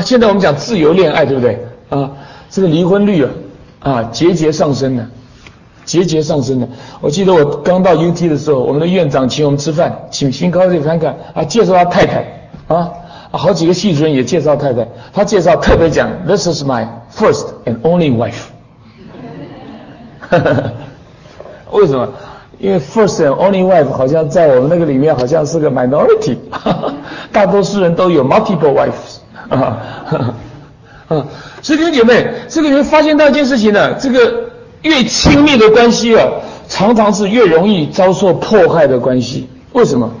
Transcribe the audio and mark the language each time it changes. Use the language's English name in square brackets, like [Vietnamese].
[Chinese] 现在我们讲自由恋爱，对不对啊？这个离婚率啊节节上升的，节节上升的。我记得我刚到 UT 的时候，我们的院长请我们吃饭，请新高去看看啊，介绍他太太啊，好几个系主任也介绍太太。他介绍特别讲 ， [English] This is my first and only wife。 [Chinese] 为什么？因为 [English] first and only wife [Chinese] 好像在我们那个里面好像是个 minority， 大多数人都有 [English] multiple wives。 [Chinese] 所以弟兄姐妹，这个你会发现到一件事情呢，这个越亲密的关系啊，常常是越容易遭受迫害的关系。为什么？